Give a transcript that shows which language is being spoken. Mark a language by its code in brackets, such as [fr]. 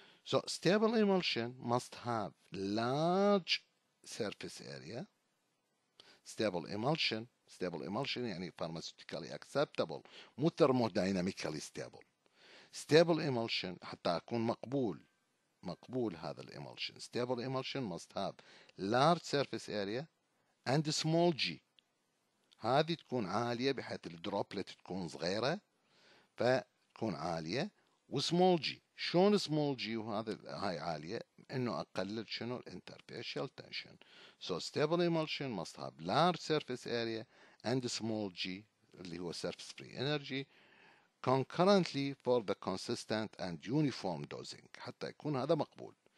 [en] So stable emulsion must have large surface area. Stable emulsion [ar] يعني [en] pharmaceutically acceptable، [ar] مو [en] thermodynamically stable. Stable emulsion [ar] حتى أكون مقبول هذا الemulsion. [en] Stable emulsion must have large surface area and small g. [ar] هذه تكون عالية بحيث الدروبلت تكون صغيرة فتكون عالية، وسمول جي. شلون سمول جي وهذا هاي عاليه؟ انه اقلل شنو الانترفيشال تنشن. [en] so stable emulsion must have large surface area and small G [ar] اللي هو [en] surface free energy concurrently for the consistent and uniform dosing, [ar] حتى يكون هذا مقبول.